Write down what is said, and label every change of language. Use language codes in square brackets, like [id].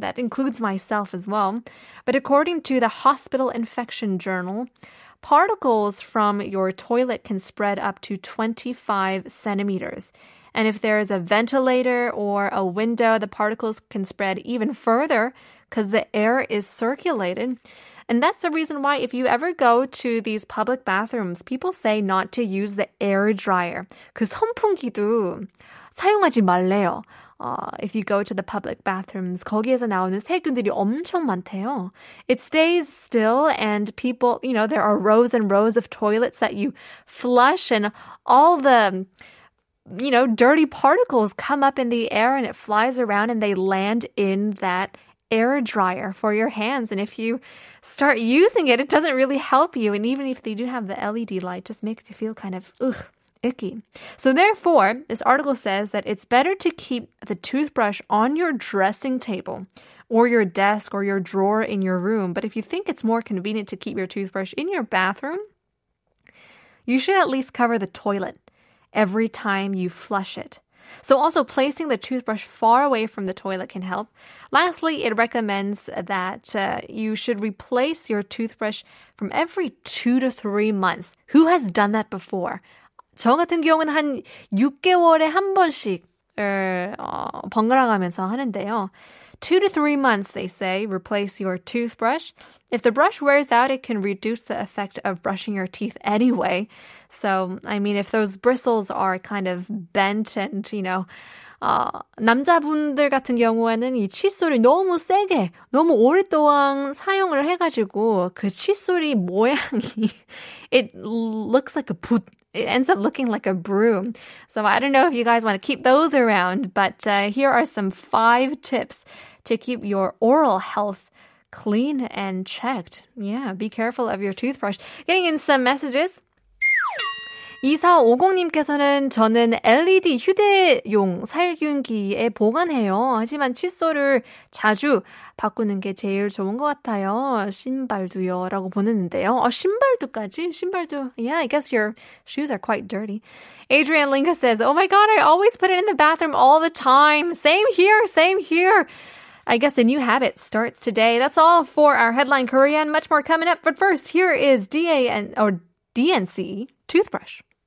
[en] That includes myself as well. But according to the Hospital Infection Journal, particles from your toilet can spread up to 25 centimeters. And if there is a ventilator or a window, the particles can spread even further because the air is circulated. And that's the reason why if you ever go to these public bathrooms, people say not to use the air dryer. [ko] 그 선풍기도 사용하지 말래요. [en] If you go to the public bathrooms, [ko] 거기에서 나오는 세균들이 엄청 많대요. [en] It stays still and people, you know, there are rows and rows of toilets that you flush and all the, you know, dirty particles come up in the air and it flies around and they land in that air dryer for your hands. And if you start using it, it doesn't really help you. And even if they do have the LED light, it just makes you feel kind of, ugh, icky. So therefore, this article says that it's better to keep the toothbrush on your dressing table or your desk or your drawer in your room. But if you think it's more convenient to keep your toothbrush in your bathroom, you should at least cover the toilet every time you flush it. So also placing the toothbrush far away from the toilet can help. Lastly, it recommends that you should replace your toothbrush from every 2 to 3 months. Who has done that before? [ko] 저 같은 경우는 한 6개월에 한 번씩 번갈아가면서 하는데요. [en] 2 to 3 months, they say, replace your toothbrush. If the brush wears out, it can reduce the effect of brushing your teeth anyway. So, I mean, if those bristles are kind of bent and, you know, [ko] 남자분들 같은 경우에는 이 칫솔이 너무 세게, 너무 오랫동안 사용을 해가지고 그 칫솔이 모양이 [en] it looks like a put. It ends up looking like a broom. So I don't know if you guys want to keep those around, but here are some 5 tips to keep your oral health clean and checked. Yeah, be careful of your toothbrush. Getting in some messages. [ko] 2450님께서는 저는 LED 휴대용 살균기에 보관해요. 하지만 칫솔을 자주 바꾸는 게 제일 좋은 것 같아요. 신발도요 라고 보냈는데요. 신발도까지? 신발도. [en] Yeah, I guess your shoes are quite dirty. Adrian Linka says, Oh my god, I always put it in the bathroom all the time. Same here, same here. I guess a new habit starts today. That's all for our Headline Korean. Much more coming up. But first, here is DNC. Toothbrush.